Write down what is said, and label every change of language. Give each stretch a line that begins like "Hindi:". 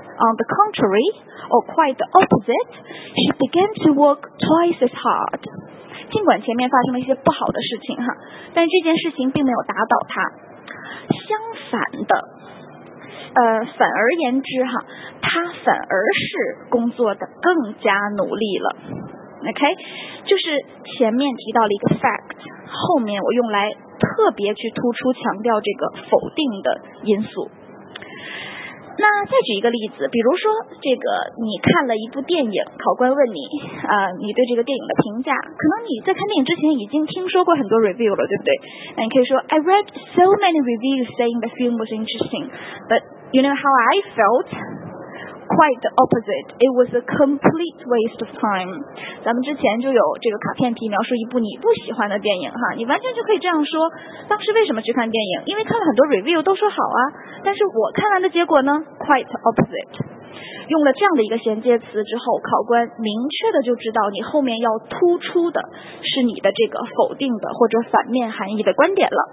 English: On the contrary, or quite the opposite, she began to work twice as hard.
Chinese: 尽管前面发生了一些不好的事情哈，但这件事情并没有打倒他，相反的，反而言之哈，他反而是工作的更加努力了。 OK， 就是前面提到了一个 fact， 后面我用来特别去突出强调这个否定的因素。那再举一个例子，比如说这个你看了一部电影，考官问你你对这个电影的评价，可能你在看电影之前已经听说过很多 review 了，对不对？
English: 那你可以说 I read so many reviews saying the film was interesting, but you know how I felt? Quite the opposite. It was a complete waste of time.
Chinese: 咱们之前就有这个卡片题描述一部你不喜欢的电影哈，你完全就可以这样说，当时为什么去看电影？因为看了很多 review 都说好啊，但是我看完的结果呢 quite the opposite。用了这样的一个衔接词之后，考官明确的就知道你后面要突出的是你的这个否定的或者反面含义的观点了。